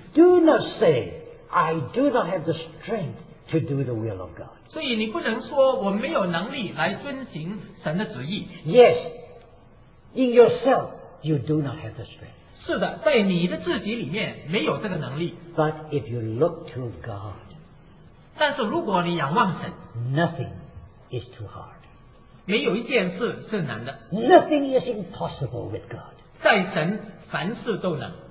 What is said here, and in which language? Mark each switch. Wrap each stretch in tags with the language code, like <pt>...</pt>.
<en>Do not say, I do not have the strength to do the will of God.</en> <zh>所以你不能说我没有能力来遵行神的旨意。</zh> <en>Yes, in yourself, you do not have the strength.</en> <zh>是的，在你的自己里面没有这个能力。</zh> <en>But if you look to God,</en> <zh>但是如果你仰望神，</zh> <en>nothing is too hard.</en> <zh>没有一件事是难的。</zh> <en>Nothing is impossible with God.</en> <zh>在神凡事都能。</zh>